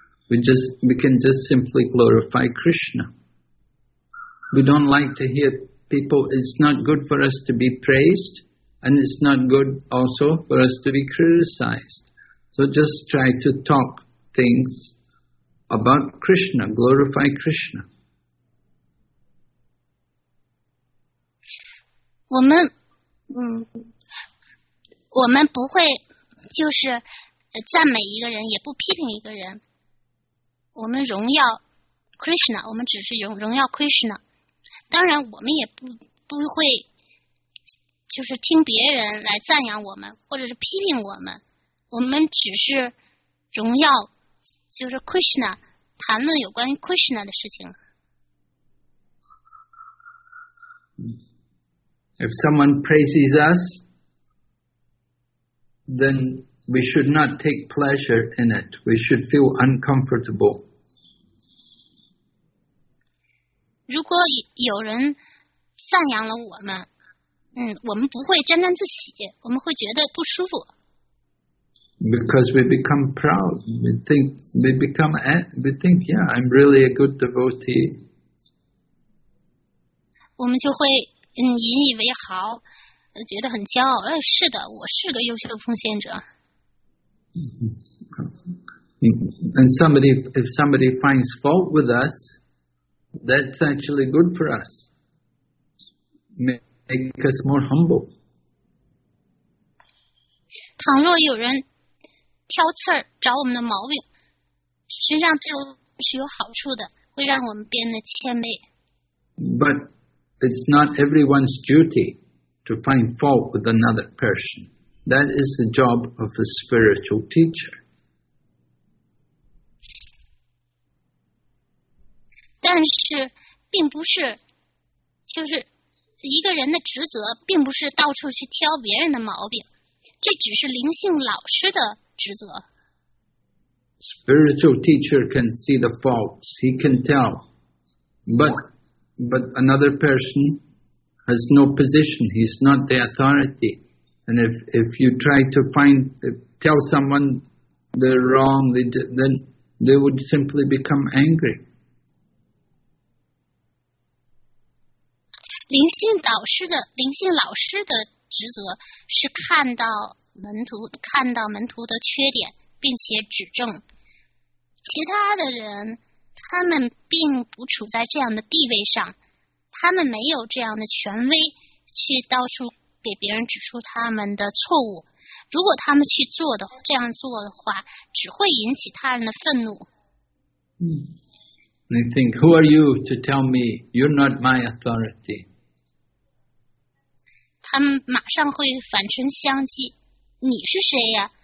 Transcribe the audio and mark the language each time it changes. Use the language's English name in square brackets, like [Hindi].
[English] We can just simply glorify Krishna. We don't like to hear... People, it's not good for us to be praised, and it's not good also for us to be criticized. So just try to talk things about Krishna, glorify Krishna. [Chinese] 我们不会就是赞美一个人，也不批评一个人。我们荣耀 Krishna， 我们只是荣耀 Krishna。当然我们也不会就是听别人来赞扬我们或者是批评我们，我们只是荣耀就是 Krishna， 谈论有关于 Krishna 的事情。 [English] If someone praises us, then we should not take pleasure in it. We should feel uncomfortable. [Chinese] 如果有人赞扬了我们，我们不会沾沾自喜，我们会觉得不舒服。 [English] Because we become proud, we think, yeah, I'm really a good devotee. [Chinese] 我们就会引以为豪，觉得很骄傲。哎，是的，我是个优秀的奉献者。 [English] And if somebody finds fault with us. That's actually good for us. Make us more humble. [Chinese] 倘若有人挑刺儿找我们的毛病，实际上对我是有好处的，会让我们变得谦卑。 [English] But it's not everyone's duty to find fault with another person. That is the job of a spiritual teacher. [Chinese] 但是并不是，就是一个人的职责并不是到处去挑别人的毛病，这只是灵性老师的职责。 [English] Spiritual teacher can see the faults, he can tell, but another person has no position, he's not the authority. And if you try to tell someone they're wrong, then they would simply become angry. [Chinese] 灵性导师的，灵性老师的职责是看到门徒的缺点，并且指正。其他的人，他们并不处在这样的地位上，他们没有这样的权威去到处给别人指出他们的错误。如果他们去做的这样做的话，只会引起他人的愤怒。 [English] They think, who are you to tell me? You're not my authority. [Chinese] 他们马上会反唇相讥，你是谁呀？